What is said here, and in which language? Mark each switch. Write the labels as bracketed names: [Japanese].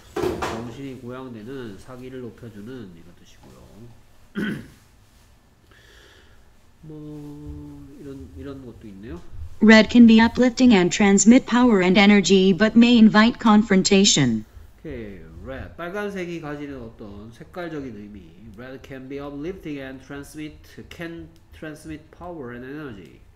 [Korean] 정신이 고양되는 사기를 높여주는 이런 뜻이고요. 뭐 이런 것도 있네요. [English] Red can be uplifting and transmit power and energy, but may invite confrontation. [Korean] 오케이, red 빨간색이 가지는 어떤 색깔적인 의미. [English] Red can be uplifting and can transmit power and energy.